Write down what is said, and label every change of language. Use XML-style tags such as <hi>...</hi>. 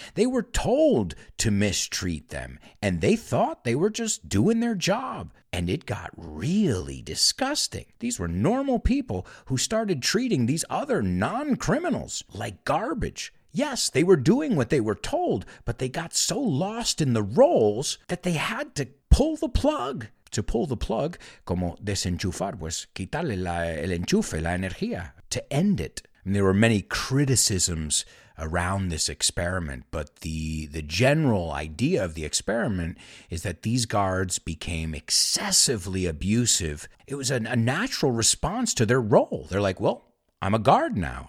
<en>They were told to mistreat them, and they thought they were just doing their job, and it got really disgusting. These were normal people who started treating these other non-criminals like garbage. Yes, they were doing what they were told, but they got so lost in the roles that they had to pull the plug. To pull the plug,</en> <es>como desenchufar, pues quitarle el enchufe, la energía,</es> <en>to end it. And there were many criticisms around this experiment, but the general idea of the experiment is that these guards became excessively abusive. It was a natural response to their role. They're like, well, I'm a guard now.</en>